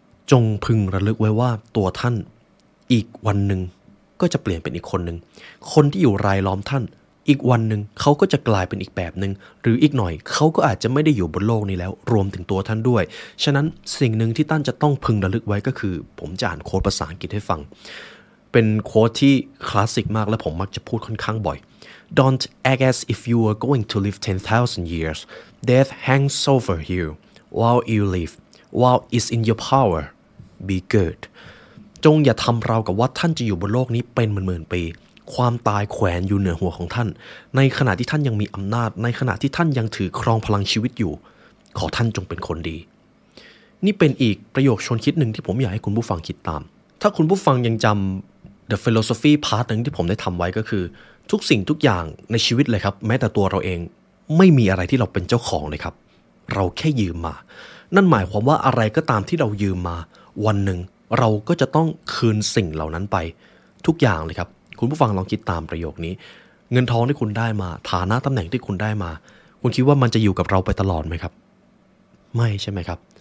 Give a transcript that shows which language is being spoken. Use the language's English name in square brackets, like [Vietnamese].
[Thai] จงพึงระลึกไว้ว่าตัวท่านอีกวันนึงก็จะเปลี่ยนเป็นอีกคนนึงคนที่อยู่รายล้อมท่านอีกวันนึงเขาก็จะกลายเป็นอีกแบบนึงหรืออีกหน่อยเขาก็อาจจะไม่ได้อยู่บนโลกนี้แล้วรวมถึงตัวท่านด้วยฉะนั้นสิ่งนึงที่ท่านจะต้องพึงระลึกไว้ก็คือผมจะอ่านโค้ดภาษาอังกฤษให้ฟังเป็นโค้ดที่คลาสสิกมากและผมมักจะพูดค่อนข้างบ่อย [English] Don't act as if you are going to live 10,000 years. Death hangs over you while you live. While it's in your power, be good. [Thai] จงอย่าทำราวกับว่าท่านจะอยู่บนโลกนี้เป็นหมื่นๆปีความตายแขวนอยู่เหนือหัวของท่านในขณะที่ท่านยังมีอำนาจในขณะที่ท่านยังถือครองพลังชีวิตอยู่ขอท่านจงเป็นคนดี นี่เป็นอีกประโยคชวนคิดหนึ่งที่ผมอยากให้คุณผู้ฟังคิดตามถ้าคุณผู้ฟังยังจำ [English] the philosophy part [Thai] นึงที่ผมได้ทำไว้ก็คือทุกสิ่งทุกอย่างในชีวิตเลยครับแม้แต่ตัวเราเองไม่มีอะไรที่เราเป็นเจ้าของเลยครับเราแค่ยืมมานั่นหมายความว่าอะไรก็ตามที่เรายืมมาวันนึงเราก็จะต้องคืนสิ่งเหล่านั้นไปทุกอย่างเลยครับคุณผู้ฟังลองคิดตามประโยคนี้เงินทองที่คุณได้มาฐานะตำแหน่งที่คุณได้มาคุณคิดว่ามันจะอยู่กับเราไปตลอดไหมครับไม่ใช่ไหมครับ